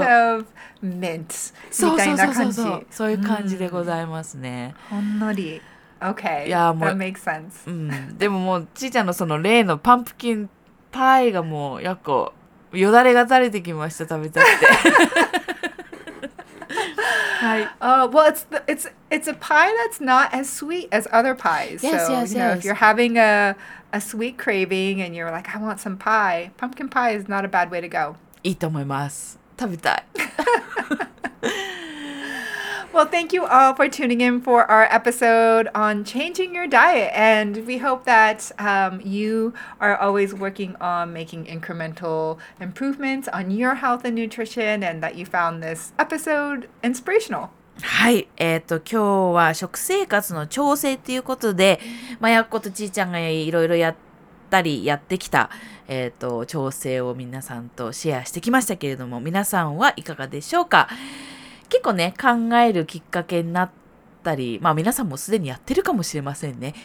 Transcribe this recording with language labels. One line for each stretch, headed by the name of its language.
English: A hint of mint
Japanese: みたいな感じ。そうそうそうそう。そういう感じでございますね。ほんのり。Okay. いやもう、
English: That makes sense.
Japanese: うん。でももうちーちゃんのその例のパンプキンパイがもうやっこよだれが垂れてきました、食べたくて。はい。
English: Well, it's a pie that's not as sweet as other pies. Yes, so, yes, you know, yes. If you're having a sweet craving and you're like, I want some pie, pumpkin pie is not a bad way to go.
Japanese: いいと思います。食べたい。
English: Well, thank you all for tuning in for our episode on changing your diet. And we hope that、you are always working on making incremental improvements on your health and nutrition and that you found this episode inspirational.
Japanese: はい、今日は食生活の調整ということで、まあ、やっことちーちゃんがいろいろやったりやってきた、調整を皆さんとシェアしてきましたけれども、皆さんはいかがでしょうか。結構ね、考えるきっかけになったり、まあ皆さんもすでにやってるかもしれませんね。